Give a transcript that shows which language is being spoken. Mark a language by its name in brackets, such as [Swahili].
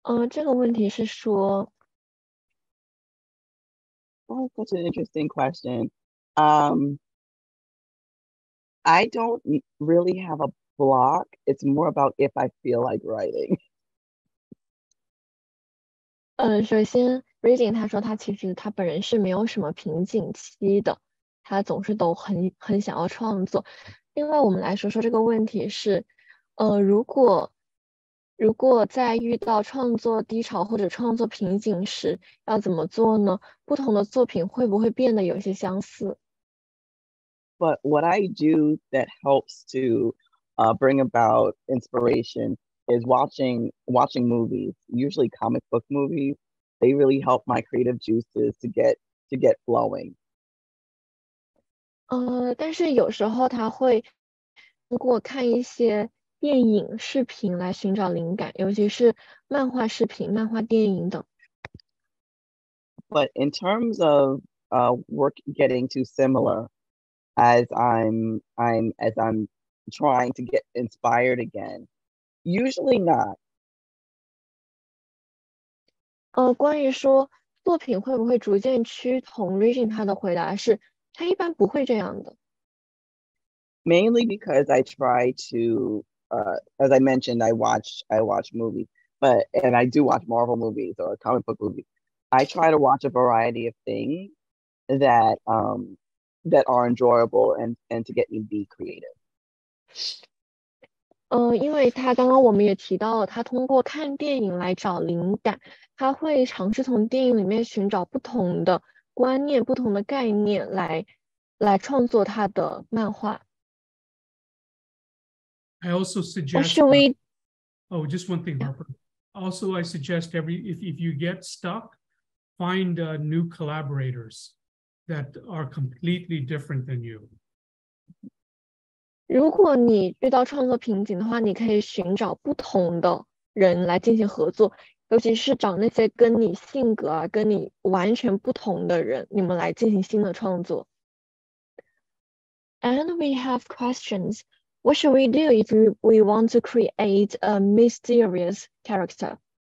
[Chinese] 这个问题是说 [English] Oh, that's an interesting question. I don't really have a block. It's more about if I feel like writing. [Chinese] 首先 Regine 他说他其实他本人是没有什么瓶颈期的，他总是都很想要创作。另外我们来说说这个问题是如果在遇到创作低潮或者创作瓶颈时要怎么做呢？不同的作品会不会变得有些相似？ [English] But what I do that helps to bring about inspiration is watching movies, usually comic book movies. They really help my creative juices to get flowing. [Chinese] 但是有时候他会通过看一些电影视频来寻找灵感，尤其是漫画视频、漫画电影等。 [English] But in terms of work getting too similar, as I'm trying to get inspired again, usually not. [Chinese] 关于说作品会不会逐渐趋同 ，Regine 他的回答是，他一般不会这样的。 [English] Mainly because I try to. As I mentioned, I watch movies, and I do watch Marvel movies or comic book movies. I try to watch a variety of things that that are enjoyable and to get me be creative. [Chinese] 因为他刚刚我们也提到了，他通过看电影来找灵感，他会尝试从电影里面寻找不同的观念、不同的概念来创作他的漫画。 I also suggest. Should we? Just one thing, Harper. Also, I suggest if you get stuck, find new collaborators that are completely different than you. 如果你遇到创作瓶颈的话，你可以寻找不同的人来进行合作，尤其是找那些跟你性格啊、跟你完全不同的人，你们来进行新的创作。 And we have questions. What should we do if we want to create a mysterious character?